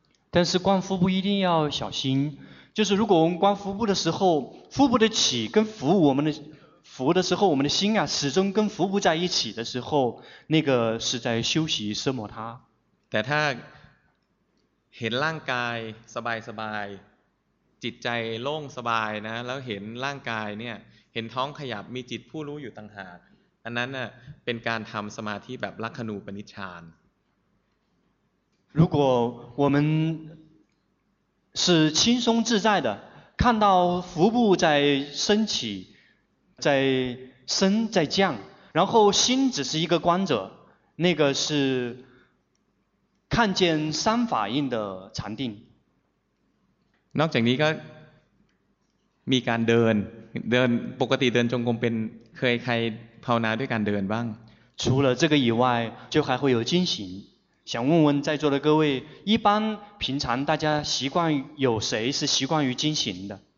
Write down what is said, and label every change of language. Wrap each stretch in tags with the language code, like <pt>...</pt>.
<zh>但是观腹部一定要小心就是如果我们观腹部的时候腹部的起跟腹我们的腹的时候我们的心啊始终跟腹部在一起的时候那个是在休息奢摩他</zh> <th>แต่ถ้าเห็นร่างกายสบายสบายจิตใจโล่งสบายนะแล้วเห็นร่างกายเนี่ยเห็นท้องขยับมีจิตผู้รู้อยู่ต่างหากอันนั้นน่ะเป็นการทำสมาธิแบบลักขณูปนิชฌาน</th> <zh>如果我们是轻松自在的看到腹部在升起在升在降然后心只是一个观者那个是看见三法印的禅定</zh> <th>นอกจากนี้ก็มีการเดินเดินปกติเดินจงกรมเป็นเคยใครภาวนาด้วยการเดินบ้าง</th> <zh>除了这个以外就还会有精行想问问在座的各位一般平常大家习惯有谁是习惯于精行的</zh>